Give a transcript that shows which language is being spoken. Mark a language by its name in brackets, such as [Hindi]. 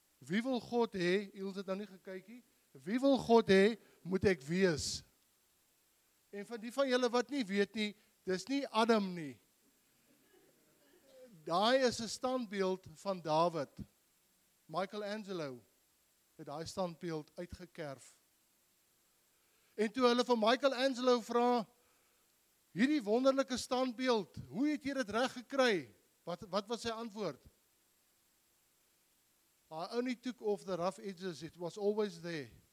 [Afrikaans] wie wil God hê, Ilse het nou nie gekyk nie, wie wil God hê, moet ek wees. En van die van julle wat nie weet nie, dis nie Adam nie. Daai is 'n standbeeld van David. Michelangelo het daai standbeeld uitgekerf. En toe hulle van Michelangelo vra, hierdie wonderlike standbeeld, hoe het jy dit reg gekry? Wat was sy antwoord? [English] I only took off the rough edges, it was always there.